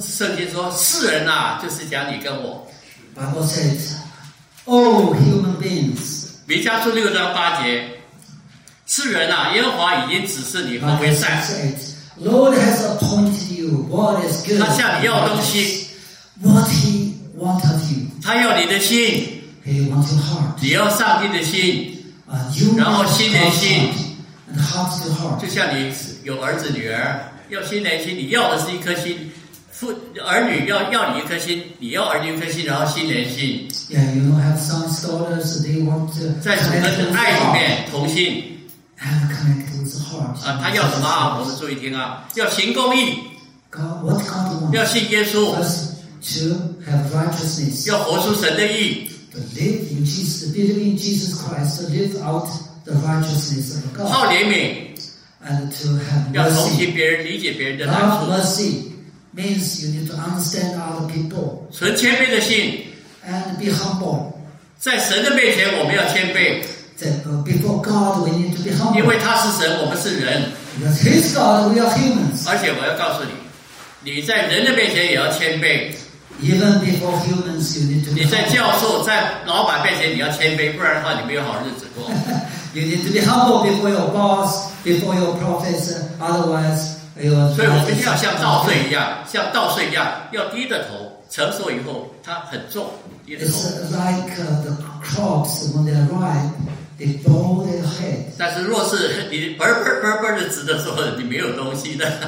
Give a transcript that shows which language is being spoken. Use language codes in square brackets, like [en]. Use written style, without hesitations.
[zh] 圣经说，世人啊，就是讲你跟我。 [en] Bible says, all human beings. [zh] 弥迦书六章八节，世人啊，耶和华已经指示你何为善。 [en] Lord has appointed you what is good. [zh] 他向你要东西。 [en] What he wants of you. [zh] 他要你的心。 [en] He wants your heart. [zh] 你要上帝的心。 [en] You want God's heart. [zh] 然后心连心。 [en] Heart to heart. [zh] 就像你有儿子女儿要心连心你要的是一颗心父儿女 要你一颗心你要儿女一颗心然后心连心 [en] yeah, you know, have some scholars, they want to [zh] 在主的爱里面同心 [en] and connect with heart, [zh] 啊，他要什么啊我们注意听啊要行公义 [en] God, what God wants, [zh] 要信耶稣 [en] to have righteousness, [zh] 要活出神的义 [en] believe in Jesus, believe in Jesus Christ live outThe righteousness of God. [zh] 好怜悯 [en] and to have mercy. [zh] 要同情别人，理解别人的难处。 [en] Love mercy means you need to understand other people. [zh] 存谦卑的心 [en] and be humble. [zh] 在神的面前，我们要谦卑。 [en] 在 before God, we need to be humble. [zh] 因为他是神，我们是人。 [en] Because He's God, we are humans. [zh] 而且我要告诉你，你在人的面前也要谦卑。 [en] Even before humans, you need to. [zh] 你在教授、在老板面前，你要谦卑，不然的话，你没有好日子过。 [en] You need to be humble before your boss, before your professor, otherwise you will. [zh] 所以我们要像稻穗一样，像稻穗一样，要低着头，成熟以后它很重，低着头。 [en] It's like the crops when they're ripe, they bow their head. [zh] 但是若是你嘣嘣嘣嘣的直的时候，你没有东西的。